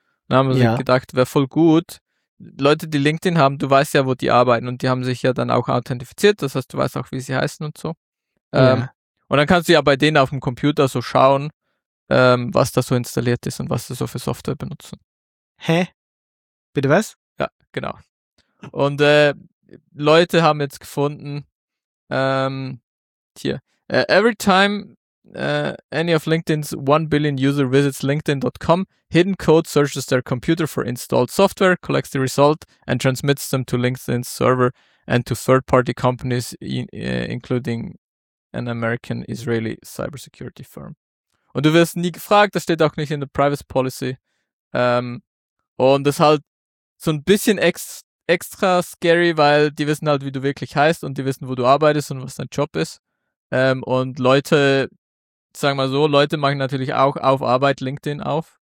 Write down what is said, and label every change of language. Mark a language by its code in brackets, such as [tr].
[de] Da haben sie gedacht, wäre voll gut. Leute, die LinkedIn haben, du weißt ja, wo die arbeiten. Und die haben sich ja dann auch authentifiziert. Das heißt, du weißt auch, wie sie heißen und so. Und dann kannst du ja bei denen auf dem Computer so schauen, was da so installiert ist und was sie so für Software benutzen. Hä? Bitte was? Ja, genau. Und Leute haben jetzt gefunden, hier, [en] every time any of LinkedIn's 1 billion user visits LinkedIn.com, hidden code searches their computer for installed software, collects the result and transmits them to LinkedIn's server and to third-party companies, including an American Israeli cybersecurity firm. [de] Und du wirst nie gefragt, das steht auch nicht in der Privacy Policy. Und das ist halt so ein bisschen extra scary, weil die wissen halt, wie du wirklich heißt und die wissen, wo du arbeitest und was dein Job ist. Und Leute, sag mal so, Leute machen natürlich auch auf Arbeit LinkedIn auf.